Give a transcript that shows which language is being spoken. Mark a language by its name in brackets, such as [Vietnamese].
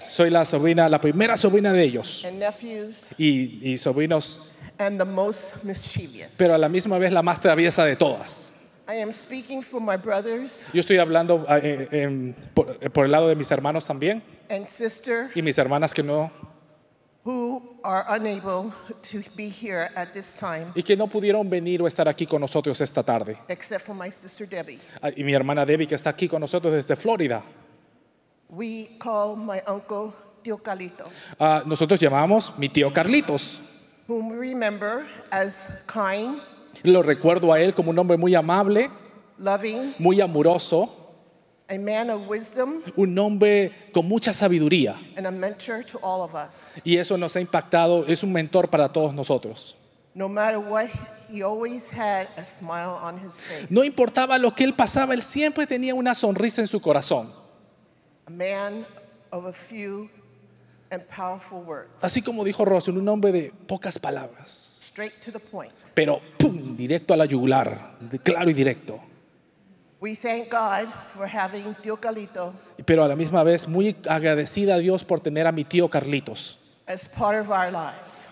[Spanish] Soy la sobrina, la primera sobrina de ellos. [English] And nephews. [Spanish] Y sobrinos. [English] And the most mischievous. [Spanish] Pero a la misma vez la más traviesa de todas. [English] I am speaking for my brothers. [Spanish] Yo estoy hablando por el lado de mis hermanos también. [English] And sister, [Spanish] y mis hermanas que no, [English] who are unable to be here at this time, [Spanish] y que no pudieron venir o estar aquí con nosotros esta tarde, [English] except for my sister Debbie, [Spanish] y mi hermana Debbie que está aquí con nosotros desde Florida. [English] We call my uncle Tío Carlito. [Spanish] Nosotros llamamos mi tío Carlitos, [English] whom we remember as kind, [Spanish] lo recuerdo a él como un hombre muy amable, [English] loving, [Spanish] muy amoroso. [English] A man of wisdom, [Spanish] un hombre con mucha sabiduría, [English] and a mentor to all of us. [Spanish] Y eso nos ha impactado, es un mentor para todos nosotros. [English] No matter what, he always had a smile on his face. [Spanish] No importaba lo que él pasaba, él siempre tenía una sonrisa en su corazón. [English] A man of a few and powerful words. [Spanish] Así como dijo Rosy, un hombre de pocas palabras. [English] Straight to the point. [Spanish] Pero pum, directo a la yugular, claro y directo. [English] We thank God for having Tío Carlito. [Spanish] Pero a la misma vez muy agradecida a Dios por tener a mi tío Carlitos. [English] As part of our lives.